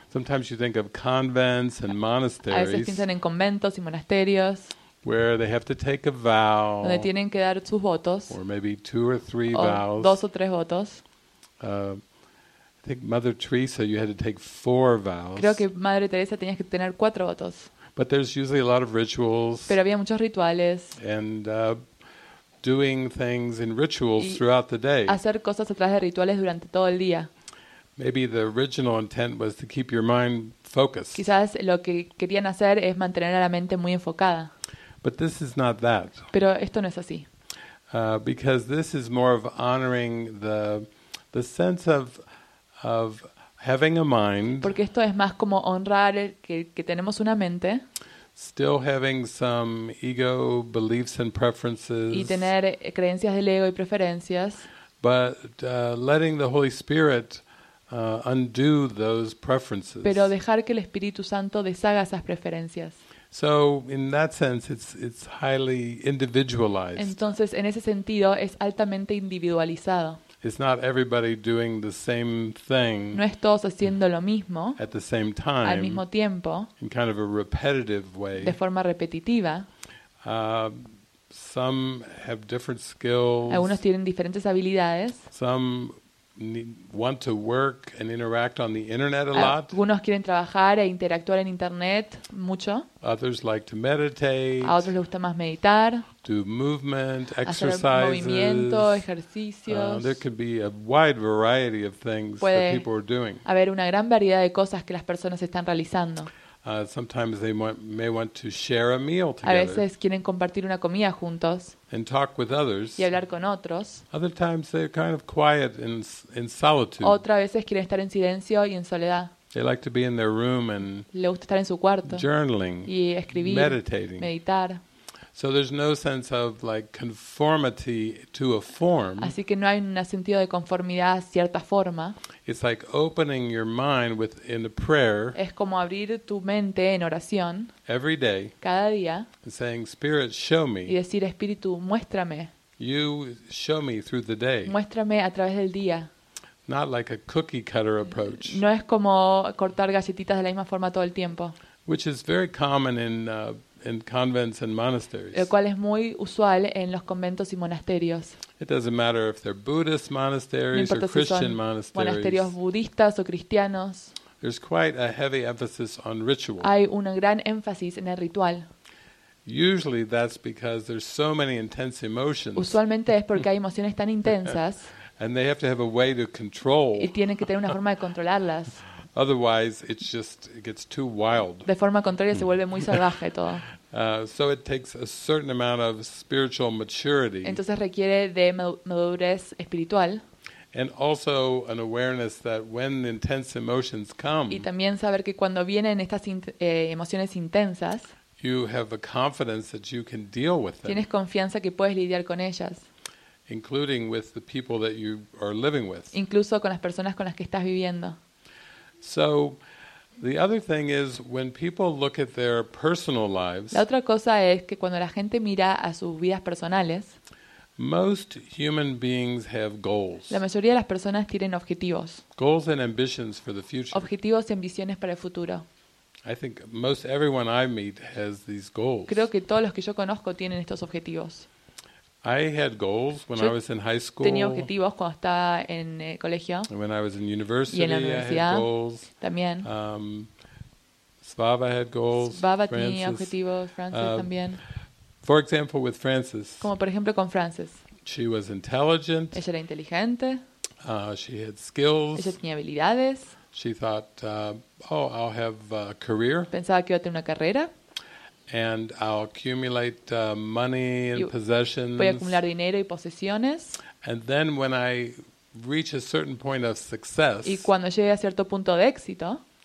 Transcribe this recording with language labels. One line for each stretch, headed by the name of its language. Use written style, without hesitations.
English: sometimes you think of convents and monasteries,
Spanish: a veces piensan en conventos y monasterios,
English: where they have to take a vow,
Spanish: donde tienen que dar sus votos,
English: or maybe two or three vows,
Spanish: dos o tres votos.
English: I think Mother Teresa, you had to take four vows.
Spanish: Creo que Madre Teresa tenías que tener cuatro votos.
English: But there's usually a lot of rituals.
Spanish: Pero había muchos rituales.
English: And doing things in rituals throughout the day.
Spanish: Hacer cosas a través de rituales durante todo el día.
English: Maybe the original intent was to keep your mind focused.
Spanish: Quizás lo que querían hacer es mantener a la mente muy enfocada.
English: But this is not that.
Spanish: Pero esto no es así.
English: Because this is more of honoring the sense of having a mind.
Spanish: Porque esto es más como honrar que tenemos una mente.
English: Still having some ego beliefs and preferences.
Spanish: Y tener creencias del ego y preferencias.
English: But letting the Holy Spirit undo those preferences.
Spanish: Pero dejar que el Espíritu Santo deshaga esas preferencias.
English: So in that sense it's highly individualized.
Spanish: Entonces en ese sentido es altamente individualizado.
English: It's not everybody doing the same thing.
Spanish: No es todos haciendo lo mismo.
English: At the same time.
Spanish: Al mismo tiempo.
English: In kind of a repetitive way.
Spanish: De forma repetitiva.
English: Some have different skills.
Spanish: Algunos tienen diferentes habilidades.
English: Some want to work and interact on the internet a lot.
Spanish: Algunos quieren trabajar e interactuar en internet mucho.
English: Others like to meditate.
Spanish: A otros les gusta más meditar.
English: Do movement, exercises.
Spanish: Hacer movimiento, ejercicios.
English: There could be a wide variety of things
Spanish: puede
English: that people are doing.
Spanish: Haber una gran variedad de cosas que las personas están realizando.
English: Sometimes they may want to share a meal together.
Spanish: A veces quieren compartir una comida juntos.
English: And talk with others.
Spanish: Y hablar con otros.
English: Other times they're kind of quiet in solitude.
Spanish: Otras veces quieren estar en silencio y en soledad.
English: They like to be in their room and
Spanish: le gusta estar en su cuarto.
English: Journaling.
Spanish: Y escribir.
English: Meditating.
Spanish: Meditar.
English: So there's no sense of like conformity to a form.
Spanish: Así que no hay un sentido de conformidad a cierta forma.
English: It's like opening your mind within a prayer.
Spanish: Es como abrir tu mente en oración.
English: Every day.
Spanish: Cada día.
English: And saying, Spirit, show me.
Spanish: Y decir, Espíritu, muéstrame.
English: You show me through the day.
Spanish: Muéstrame a través del día.
English: Not like a cookie cutter approach.
Spanish: No es como cortar galletitas de la misma forma todo el tiempo.
English: Which is very common in convents and monasteries.
Spanish: El cual es muy usual en los conventos y monasterios.
English: It doesn't matter if they're Buddhist monasteries or Christian monasteries.
Spanish: Monasterios budistas o cristianos.
English: There's quite a heavy emphasis on ritual.
Spanish: Hay un gran énfasis en el ritual.
English: Usually that's because there's so many intense emotions.
Spanish: Usualmente es porque hay emociones tan intensas.
English: And they have to have a way to control.
Spanish: Y tienen que tener una forma de controlarlas.
English: Otherwise, it gets too wild.
Spanish: De forma contraria, se vuelve muy salvaje todo.
English: So it takes a certain amount of spiritual maturity.
Spanish: Entonces requiere de madurez espiritual.
English: And also an awareness that when intense emotions come.
Spanish: Y también saber que cuando vienen estas emociones intensas.
English: You have a confidence that you can deal with them.
Spanish: Tienes confianza que puedes lidiar con ellas.
English: Including with the people that you are living with.
Spanish: Incluso con las personas con las que estás viviendo.
English: So the other thing is when people look at their personal lives.
Spanish: La otra cosa es que cuando la gente mira a sus vidas personales,
English: Most human beings have goals.
Spanish: La mayoría de las personas tienen objetivos.
English: Goals and ambitions for the future.
Spanish: Objetivos y ambiciones para el futuro.
English: I think most everyone I meet has these goals.
Spanish: Creo que todos los que yo conozco tienen estos objetivos.
English: I had goals when I was in high school.
Spanish: Tenía objetivos cuando estaba en el colegio.
English: And when I was in university,
Spanish: en la universidad,
English: I had goals.
Spanish: También.
English: Svava had goals.
Spanish: Svava tenía objetivos. Francis también.
English: For example, with Francis.
Spanish: Como por ejemplo con Francis.
English: She was intelligent.
Spanish: Ella era inteligente.
English: She had skills.
Spanish: Ella tenía habilidades.
English: She thought, I'll have a career.
Spanish: Pensaba que iba a tener una carrera.
English: And I'll accumulate money and possessions.
Spanish: Voy a acumular dinero y posesiones.
English: And then when I reach a certain point of success.
Spanish: Y cuando llegue a cierto punto de éxito.